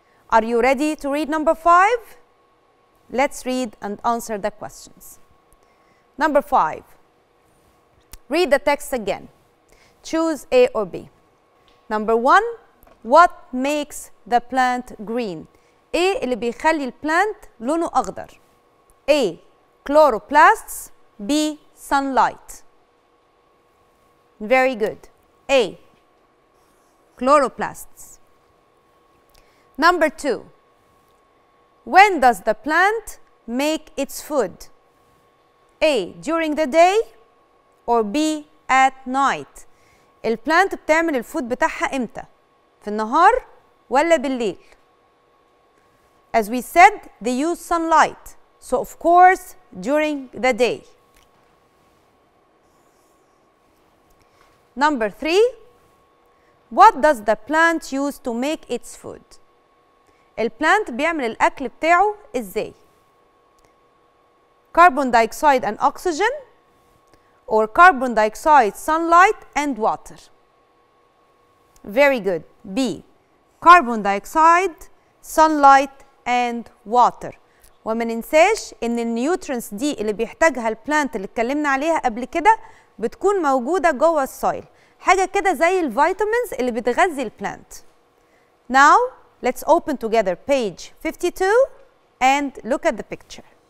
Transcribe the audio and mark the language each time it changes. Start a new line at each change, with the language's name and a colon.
English: Are you ready to read number 5? Let's read and answer the questions. Number 5. Read the text again. Choose A or B. Number 1. What makes the plant green?
Arabic: A اللي بيخلي البلانت لونه أخضر.
English: A. Chloroplasts. B. Sunlight. Very good. A. Chloroplasts. Number 2. When does the plant make its food? A. During the day or B. At night.
Arabic: البلانت بتعمل الفود بتاعها امتى؟ في النهار ولا بالليل؟
English: As we said, they use sunlight. So of course, during the day. Number 3. What does the plant use to make its food?
Arabic: البلانت بيعمل الأكل بتاعه إزاي؟
English: Carbon dioxide and oxygen or carbon dioxide, sunlight and water. Very good. B. Carbon dioxide, sunlight and water.
Arabic: وما ننساش إن النيوترينتس دي اللي بيحتاجها البلانت اللي اتكلمنا عليها قبل كده بتكون موجودة جوه السويل. حاجة كده زي الفيتامينز اللي بتغذي البلانت.
English: Now, let's open together page 52 and look at the picture.